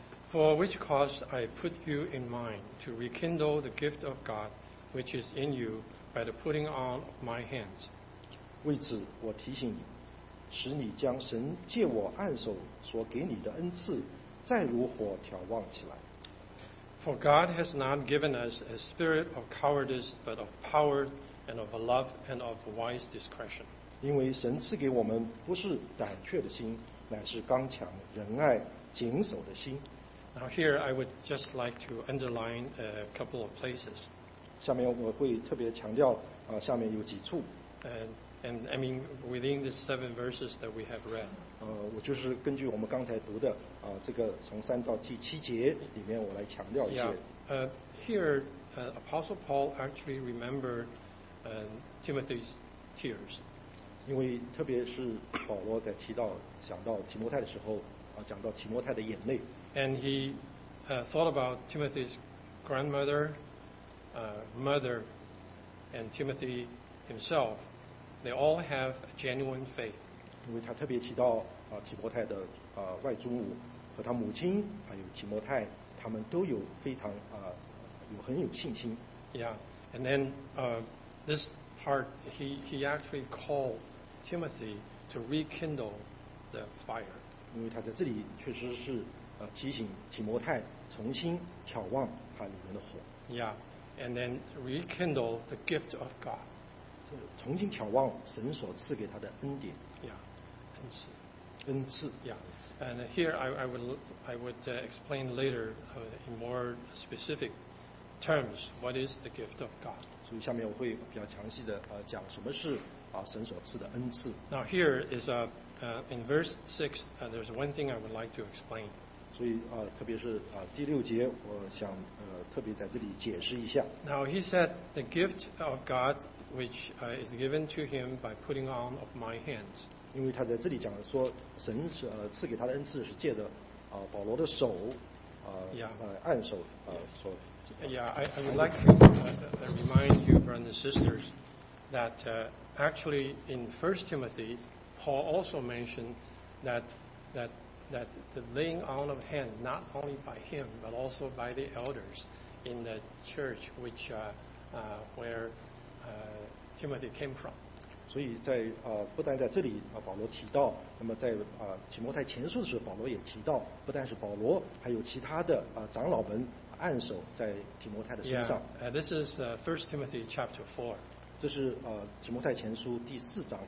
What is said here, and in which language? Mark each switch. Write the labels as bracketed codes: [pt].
[en] For which cause I put you in mind to rekindle the gift of God which is in you by the putting on of my hands. [zh] 为此我提醒你，使你将神借我按手所给你的恩赐再如火眺望起来。 [en] For God has not given us a spirit of cowardice but of power and of love and of wise discretion. [zh] 因为神赐给我们不是胆怯的心，乃是刚强仁爱谨守的心。 [en] Now here I would just like to underline a couple of places. [zh] 下面我会特别强调下面有几处。 [en] And I mean within the seven verses that we have read. [zh] 我就是根据我们刚才读的这个从三到第七节里面我来强调一些。 Yeah. [en] Apostle Paul actually remembered Timothy's tears. [zh] 因为特别是保罗在提到讲到提摩太的时候讲到提摩太的眼泪。 [en] And he thought about Timothy's grandmother, mother, and Timothy himself. They all have a genuine faith. [zh] 因为他特别提到提摩太的外祖母和他母亲，还有提摩太，他们都有非常很有信心。 [en] Yeah, and then this part, he actually called Timothy to rekindle the fire. [zh] 因为他在这里确实是。提醒提摩太重新眺望他里面的火。 [en] Yeah, and then rekindle the gift of God. [zh] 重新眺望神所赐给他的恩典。 Yeah, 恩赐。恩赐。 Yeah. [en] And here I would explain later in more specific terms what is the gift of God. [zh] 所以下面我会比较详细的讲什么是神所赐的恩赐。 [en] Now here is in verse 6, there's one thing I would like to explain. [zh] 所以特别是第六节我想特别在这里解释一下。 [en] Now he said the gift of God which is given to him by putting on of my hands. [zh] 因为他在这里讲说神是赐给他的恩赐是借着保罗的手按手说。 [en] Yeah, I would like to remind you brothers and sisters that actually in 1 Timothy Paul also mentioned that the laying on of hand, not only by him, but also by the elders in the church which, where Timothy came from. [zh] 所以在不但在这里保罗提到，那么在提摩太前书的时候，保罗也提到，不但是保罗，还有其他的长老们按手在提摩太的身上。 [en] Yeah, this is First Timothy chapter 4. [zh] 这是提摩太前书第四章。